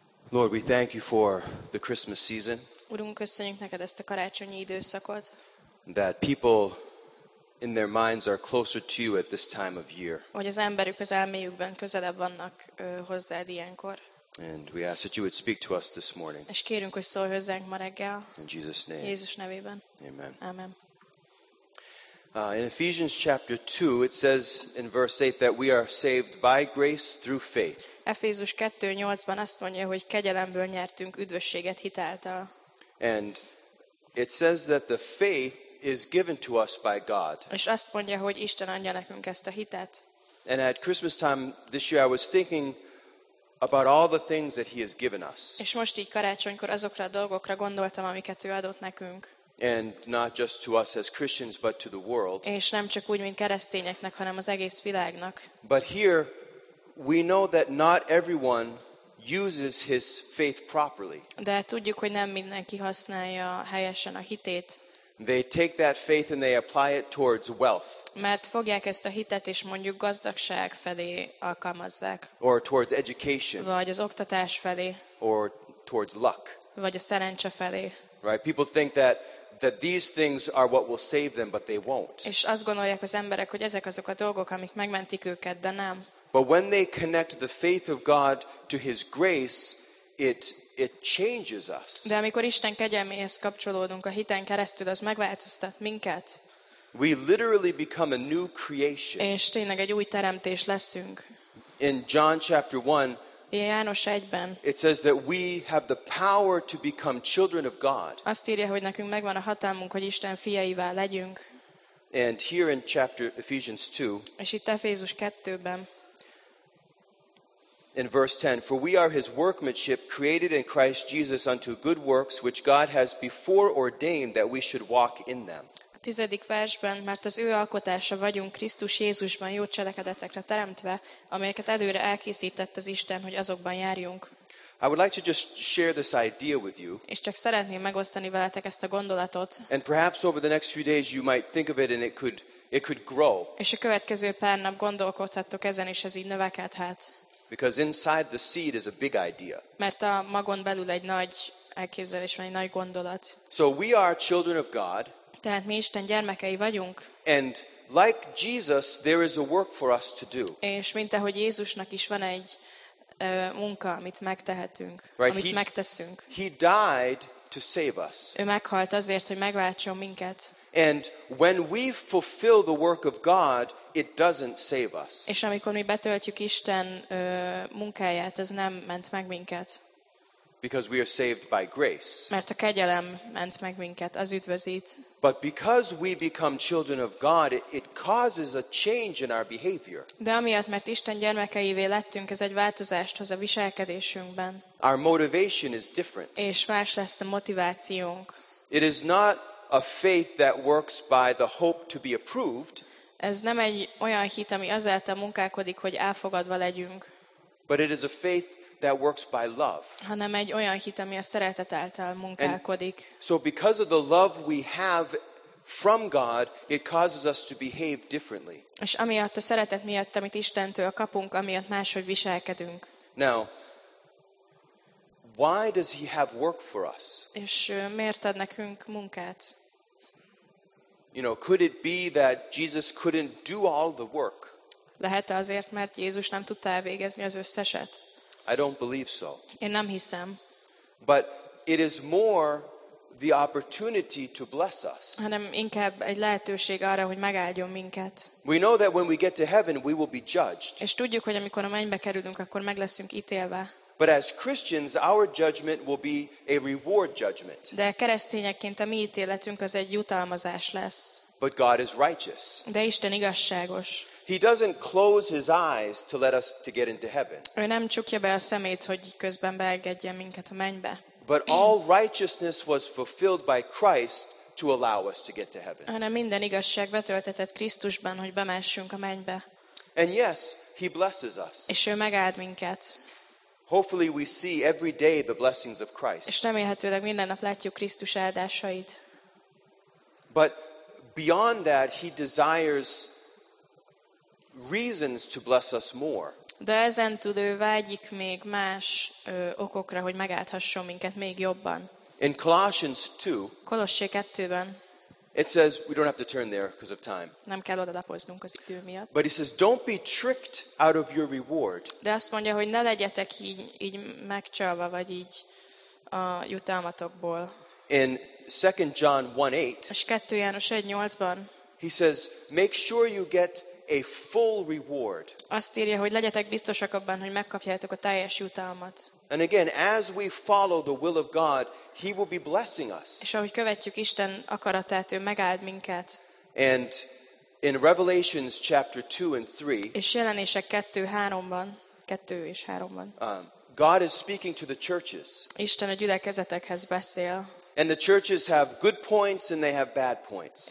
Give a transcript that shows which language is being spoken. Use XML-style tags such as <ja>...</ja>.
<en>Lord, we thank you for the Christmas season.</en> <hu>Urunk, köszönjük neked ezt a karácsonyi időszakot.</hu> <en>That people in their minds are closer to you at this time of year.</en> <hu>Hogy az emberük az elméjükben közelebb vannak hozzád ilyenkor.</hu> <en>And we ask that you would speak to us this morning.</en> <hu>És kérünk, hogy szólj hozzánk ma reggel.</hu> <en>In Jesus' name.</en> <hu>Jézus nevében.</hu> <en>Amen.</en> <hu>Amen.</hu> <en>In Ephesians chapter 2, it says in verse 8 that we are saved by grace through faith.</en> <hu>Efézus 2:8-ban azt mondja, hogy kegyelemből nyertünk üdvösséget hitáltal.</hu> <en>And it says that the faith is given to us by God.</en> <hu>És azt mondja, hogy Isten adja nekünk ezt a hitet.</hu> <en>And at Christmas time this year I was thinking about all the things that he has given us.</en> <hu>És most így karácsonykor azokra a dolgokra gondoltam, amiket ő adott nekünk.</hu> <en>And not just to us as Christians but to the world.</en> <hu>És nem csak úgy, mint keresztényeknek, hanem az egész világnak.</hu> <en>But here we know that not everyone uses his faith properly.</en> <hu>De tudjuk, hogy nem mindenki használja helyesen a hitét.</hu> <en>They take that faith and they apply it towards wealth.</en> <hu>Mert fogják ezt a hitet és mondjuk gazdagság felé alkalmazzák.</hu> <en>Or towards education.</en> <hu>Vagy az oktatás felé.</hu> <en>Or towards luck.</en> <hu>Vagy a szerencse felé.</hu> <en>Right? People think that these things are what will save them, but they won't.</en> <hu>És azt gondolják az emberek, hogy ezek azok a dolgok, amik megmentik őket, de nem.</hu> <en>But when they connect the faith of God to his grace, it changes us.</en> <hu>De amikor Isten kegyelméhez kapcsolódunk a hiten keresztül, az megváltoztat minket.</hu> <en>We literally become a new creation.</en> <hu>És tényleg egy új teremtés leszünk.</hu> <en>In John chapter 1,</en> <hu>János 1-ben.</hu> <en>It says that we have the power to become children of God.</en> <hu>Azt írja, hogy nekünk megvan a hatalmunk, hogy Isten fiaivá legyünk.</hu> <en>And here in chapter Ephesians 2.</en> <hu>És itt Efézus 2-ben.</hu> <en>In verse 10, for we are his workmanship created in Christ Jesus unto good works which God has before ordained that we should walk in them.</en> <hu>A 10. versben, mert az ő alkotása vagyunk Krisztus Jézusban jó cselekedetekre teremtve, amelyeket előre elkészített az Isten, hogy azokban járjunk.</hu> <en>I would like to just share this idea with you.</en> <hu>És csak szeretném megosztani veletek ezt a gondolatot.</hu> <en>And perhaps over the next few days you might think of it and it could grow.</en> <hu>És a következő pár nap gondolkodhattok ezen, és ez így növekedhet.</hu> <en>Because inside the seed is a big idea.</en> <hu>Mert a magon belül egy nagy elképzelés van, egy nagy gondolat.</hu> <en>So we are children of God.</en> <hu>Tehát mi Isten gyermekei vagyunk.</hu> <en>And like Jesus, there is a work for us to do.</en> <hu>És mint ahogy Jézusnak is van egy munka, amit megtehetünk,</hu> <en>right?</en> <hu>Amit megteszünk.</hu> <en>He died to save us.</en> <hu>Ő meghalt azért, hogy megváltson minket.</hu> <en>And when we fulfill the work of God, it doesn't save us.</en> <hu>És amikor mi betöltjük Isten munkáját, ez nem ment meg minket.</hu> <en>Because we are saved by grace.</en> <hu>Mert a kegyelem ment meg minket, az üdvözít.</hu> <en>But because we become children of God, it causes a change in our behavior.</en> <hu>De amiatt, mert Isten gyermekeivé lettünk, ez egy változást hoz a viselkedésünkben.</hu> <en>Our motivation is different.</en> <hu>És más lesz a motivációnk.</hu> <en>It is not a faith that works by the hope to be approved.</en> <hu>Ez nem egy olyan hit, ami azáltal munkálkodik, hogy elfogadva legyünk.</hu> <en>But it is a faith that works by love.</en> <hu>Hanem egy olyan hit, ami a szeretet által munkálkodik.</hu> <en>So because of the love we have from God, it causes us to behave differently.</en> <hu>És amiatt a szeretet miatt, amit Istentől kapunk, amiatt máshogy viselkedünk.</hu> <en>Now, why does he have work for us?</en> <hu>És miért ad nekünk munkát?</hu> <en>You know, could it be that Jesus couldn't do all the work?</en> <hu>Lehet-e azért, mert Jézus nem tudta elvégezni az összeset?</hu> <en>I don't believe so.</en> <hu>Én nem hiszem.</hu> <en>But it is more the opportunity to bless us.</en> <hu>Hanem inkább egy lehetőség arra, hogy megáldjon minket.</hu> <en>We know that when we get to heaven, we will be judged.</en> <hu>És tudjuk, hogy amikor a mennybe kerülünk, akkor meg leszünk ítélve.</hu> <en>But as Christians, our judgment will be a reward judgment.</en> <hu>De keresztényekként a mi ítéletünk az egy jutalmazás lesz.</hu> <en>But God is righteous.</en> <hu>De Isten igazságos.</hu> <en>He doesn't close his eyes to let us to get into heaven.</en> <hu>Ő nem csukja be a szemét, hogy közben beengedje minket a mennybe.</hu> <en>But all righteousness was fulfilled by Christ to allow us to get to heaven.</en> <hu>Hanem minden igazság betöltetett Krisztusban, hogy bemássunk a mennybe.</hu> <en>And yes, He blesses us.</en> <hu>És ő megáld minket.</hu> <en>Hopefully we see every day the blessings of Christ.</en> <hu>És remélhetőleg minden nap látjuk Krisztus áldásait.</hu> <en>But beyond that, he desires reasons to bless us more.</en> <hu>De ezen túl ő vágyik még más okokra, hogy megáldhasson minket még jobban.</hu> <en>In Colossians 2,</en> <hu>Kolossé 2-ben,</hu> <en>it says, we don't have to turn there because of time.</en> <hu>Nem kell odalapoznunk az idő miatt.</hu> <en>But he says, don't be tricked out of your reward.</en> <hu>De azt mondja, hogy ne legyetek így megcsalva, vagy így a jutalmatokból.</hu> <en>In 2 John 1:8,</en> <hu>és 2 János 1:8-ban,</hu> <en>he says, make sure you get a full reward.</en> <hu>Azt írja, hogy legyetek biztosak abban, hogy megkapjátok a teljes jutalmat.</hu> <en>And again, as we follow the will of God, he will be blessing us.</en> <hu>És ahogy követjük Isten akaratát, ő megáld minket.</hu> <en>And in Revelations chapter 2 and 3,</en> <hu>és Jelenések 2:3-ban, 2 és 3-ban,</hu> <en>God is speaking to the churches.</en> <hu>Isten a gyülekezetekhez beszél.</hu> <en>And the churches have good points and they have bad points.</en>